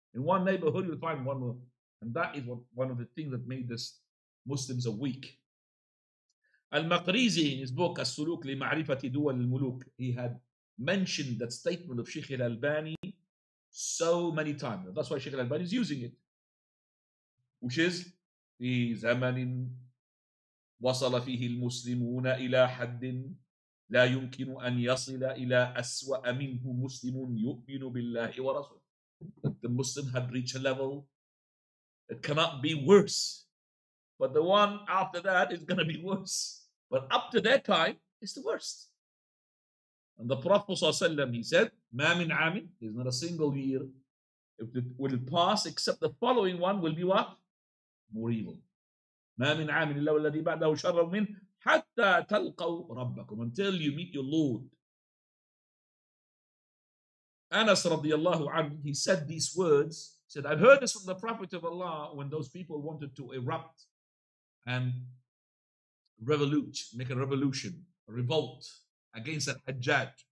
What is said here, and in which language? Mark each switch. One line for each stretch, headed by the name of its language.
English: In one neighborhood, you'll find one more. And that is what, one of the things that made this Muslims a weak. Al-Maqrizi, in his book, As-Suluk li-Ma'rifati Duwal al-Muluk, he had mentioned that statement of Sheikh al-Albani so many times. That's why Sheikh al-Albani is using it. Which is,
Arabic: في زمن وصل فيه المسلمون إلى حد لا يمكن أن يصل إلى أسوأ منه مسلم يؤمن بالله ورسوله.
English: The Muslim had reached a level, it cannot be worse. But the one after that is going to be worse. But up to that time, it's the worst. And the Prophet ﷺ, he said,
Arabic: مَا مِنْ عَامٍ,
English: there's not a single year, if it will pass, except the following one will be what? More evil.
Arabic: مَا مِنْ عَامٍ إِلَّا وَالَّذِي بَعْدَهُ شَرَّ مِنْ حَتَّى تَلْقَوْ رَبَّكُمْ,
English: until you meet your Lord. Anas radiallahu anhu, he said these words. He said, I've heard this from the Prophet of Allah when those people wanted to erupt and revolute, make a revolution, a revolt against that Hajjaj.